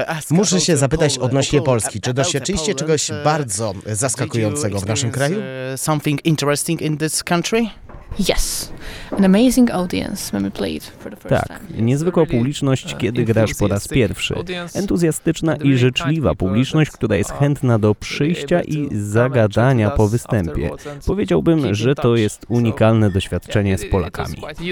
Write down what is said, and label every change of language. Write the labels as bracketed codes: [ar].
[pl] Muszę się zapytać odnośnie Polski. Czy doświadczyliście czegoś bardzo zaskakującego w naszym kraju? [en] Something interesting in this country? Yes, an amazing audience when we played for the first time. [pl] Tak, niezwykła publiczność, kiedy grasz po raz pierwszy. Entuzjastyczna i życzliwa publiczność, która jest chętna do przyjścia i zagadania po występie. Powiedziałbym, że to jest unikalne doświadczenie z Polakami.